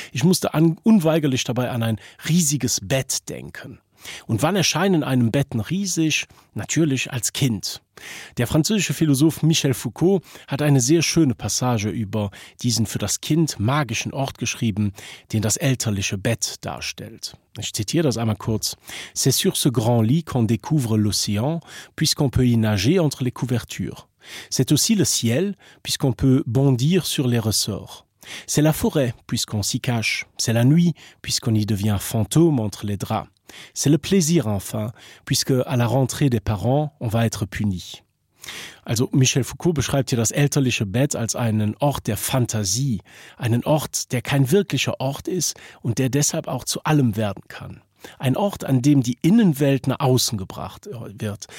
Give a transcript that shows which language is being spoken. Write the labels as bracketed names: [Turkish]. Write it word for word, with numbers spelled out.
[German] Ich musste an, unweigerlich dabei an ein riesiges Bett denken. Und wann erscheinen einem Betten riesig? Natürlich als Kind. Der französische Philosoph Michel Foucault hat eine sehr schöne Passage über diesen für das Kind magischen Ort geschrieben, den das elterliche Bett darstellt. Ich zitiere das einmal kurz. [French] « C'est sur ce grand lit qu'on découvre l'océan, puisqu'on peut y nager entre les couvertures. C'est aussi le ciel, puisqu'on peut bondir sur les ressorts. » C'est la forêt, puisqu'on s'y cache. C'est la nuit, puisqu'on y devient fantôme entre les draps. C'est le plaisir enfin, puisque à la rentrée des parents, on va être puni. [German] » Also Michel Foucault beschreibt hier das elterliche Bett als einen Ort der Fantasie, einen Ort, der kein wirklicher Ort ist und der deshalb auch zu allem werden kann. Ein Ort, an dem die Innenwelt nach außen gebracht wird.